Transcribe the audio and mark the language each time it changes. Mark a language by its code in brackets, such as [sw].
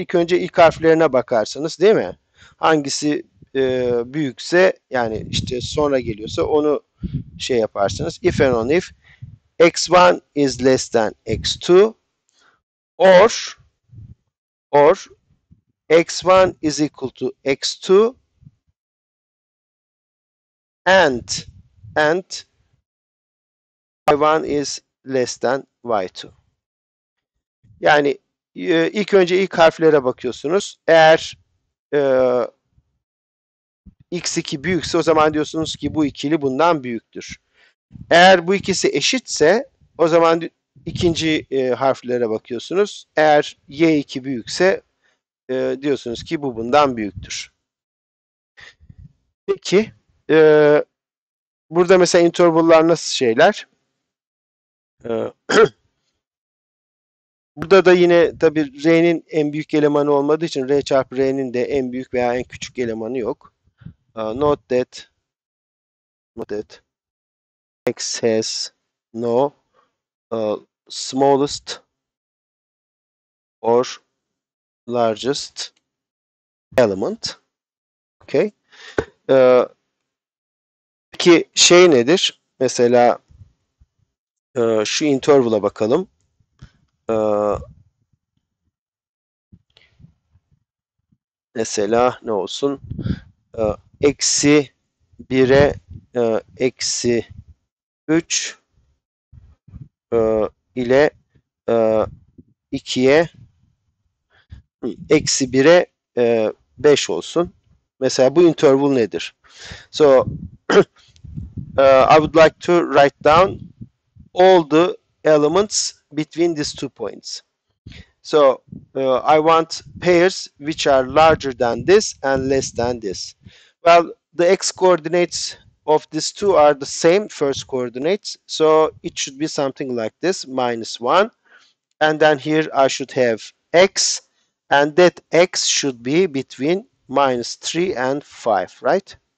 [tr] İlk önce ilk harflerine bakarsınız, değil mi? Hangisi büyükse, yani işte sonra geliyorsa onu şey yaparsınız. [en] If and only if x1 is less than x2 or x1 is equal to x2 and y1 is less than y2. [tr] Yani ilk önce ilk harflere bakıyorsunuz. Eğer x2 büyükse, o zaman diyorsunuz ki bu ikili bundan büyüktür. Eğer bu ikisi eşitse, o zaman ikinci harflere bakıyorsunuz. Eğer y2 büyükse diyorsunuz ki bu bundan büyüktür. Peki burada mesela interval'lar nasıl şeyler? Burada da yine tabii R'nin en büyük elemanı olmadığı için R çarpı R'nin de en büyük veya en küçük elemanı yok. [en] Note that X has no smallest or largest element. Okay. [tr] Peki şey nedir? Mesela şu interval'a bakalım. Mesela ne olsun? Eksi 1'e eksi 3 ile 2'ye eksi 1'e 5 olsun. Mesela bu interval nedir? [en] So, I would like to write down all the elements between these two points. So, I want pairs which are larger than this and less than this. Well, the x coordinates of these two are the same first coordinates, so it should be something like this, minus 1, and then here I should have x, and that x should be between minus 3 and 5, right?